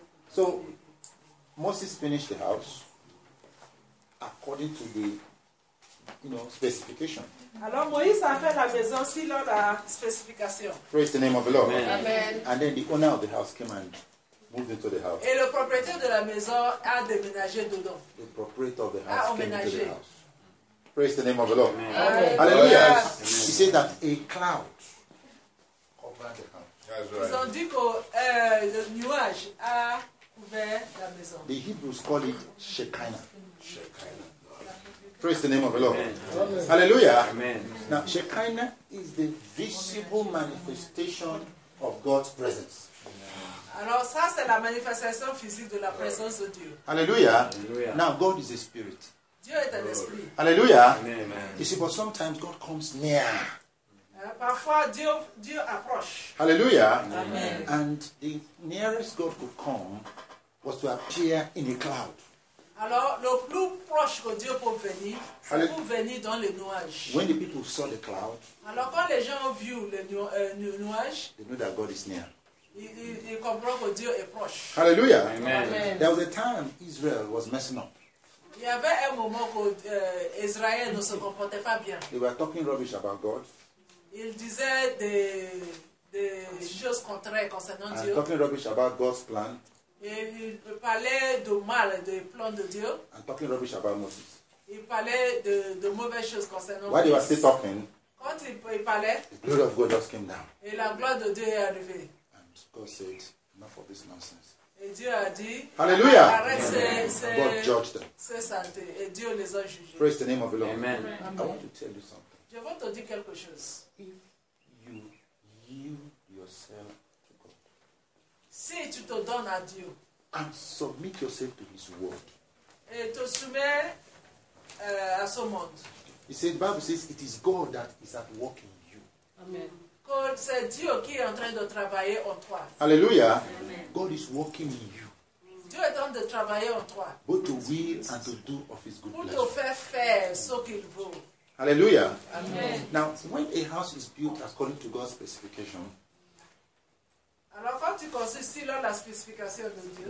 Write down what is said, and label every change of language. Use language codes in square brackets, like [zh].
[en] So, Moses finished the house according to the specification. [fr] Alors Moïse a fait la maison selon la spécification. [en] Praise the name of the Lord. Amen. And then the owner of the house came and moved into the house. [fr] Et le propriétaire de la maison a déménagé dedans. [en] The proprietor of the house came into the house. Praise the name of the Lord. Amen. Hallelujah. Yes. He said that a cloud covered the house. Right. [fr] Ils ont dit que le nuage a couvert la maison. [en] The Hebrews call it Shekinah. Shekinah. Praise the name of the Lord. Amen. Hallelujah. Amen. Now, Shekinah is the visible manifestation of God's presence. [fr] Alors, ça, c'est la manifestation physique de la présence de Dieu. [en] Hallelujah. Hallelujah. Now, God is a spirit. [fr] Dieu est un esprit. [en] Hallelujah. Amen. You see, but sometimes God comes near. [fr] Parfois, Dieu approche. [en] Hallelujah. Amen. And the nearest God could come was to appear in a cloud. [fr] Alors, le plus proche que Dieu peut venir, c'est pour venir dans les nuages. [en] When the people saw the cloud, [fr] alors, quand les gens ont vu les nuages, [en] they know that God is near. [fr] Ils comprennent que Dieu est proche. [en] Hallelujah. Amen. Amen. There was a time Israel was messing up. [fr] Il y avait un moment que Israël ne se comportait pas bien. [en] They were talking rubbish about God. [fr] Ils disaient des choses contraires concernant Dieu. [en] Talking rubbish about God's plan. [fr] Et il parlait de mal, de plan de Dieu. [en] And talking rubbish about Moses. [fr] Il parlait de mauvaises choses concernant Moïse. [en] While he was still talking, [fr] quand il parlait, [en] the glory of God just came down. [fr] Et la gloire de Dieu est arrivée. [en] And God said, enough of this nonsense. [fr] Et Dieu a dit, [en] hallelujah. [fr] Arrête, [en] and God judged them. [fr] C'est santé. Et Dieu les a jugés. [en] Praise the name of the Lord. Amen. I want to tell you something. [fr] Je veux te dire quelque chose. [en] If you yield yourself. [fr] Si tu te donnes à Dieu, [en] and submit yourself to His word. [fr] Et te soumets à son monde. [en] He said, the Bible says, it is God that is at work in you. Amen. [fr] Que God, c'est Dieu qui est en train de travailler en toi. Alléluia. [en] Amen. God is working in you. [fr] Dieu est en train de travailler en toi. [en] Both to will and to do of his good pleasure. [fr] Pour te faire ce qu'il veut. Alléluia. [en] Amen. Now, when a house is built according to God's specification, [fr] alors quand tu construis selon la spécification de Dieu,